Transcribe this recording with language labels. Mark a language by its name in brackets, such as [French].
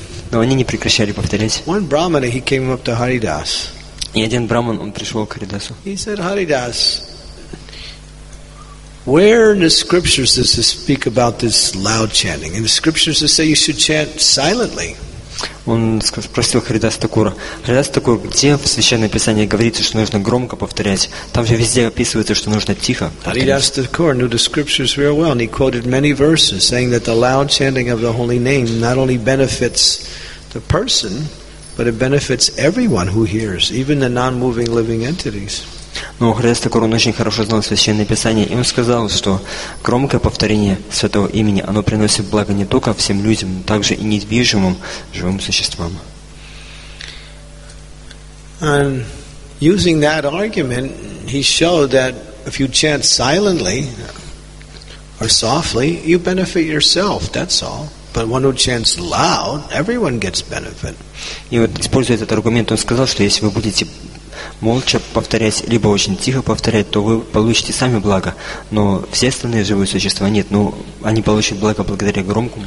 [Russian] Но они не прекращали повторять. [English] One brahmana, he came up to Haridas. [Russian] И один браман, он пришел к Харидасу. [English] He said, Haridas, where in the scriptures does it speak about this loud chanting? In the scriptures it say you should chant silently. [Russian] Он спросил Харидаса Такура. Харидас Такур, где в Священном Писании говорится, что нужно громко повторять? Там же везде описывается, что нужно тихо повторять. [English] Харидас Такур knew the scriptures very well, and he quoted many verses saying that the loud chanting of the holy name not only benefits the person, but it benefits everyone who hears, even the non-moving living entities. [Russian] Но Харидас Такур, он очень хорошо знал Священное Писание, и он сказал, что громкое повторение Святого Имени, оно приносит благо не только всем людям, но также и недвижимым живым существам. [English] And using that argument, he showed that if you chant silently or softly, you benefit yourself, that's all. But one who chants loud, everyone gets benefit. [Russian] И вот, используя этот аргумент, он сказал, что если вы будете молча повторять, либо очень тихо повторять, то вы получите сами благо. Но все остальные живые существа нет. Но они получат благо благодаря громкому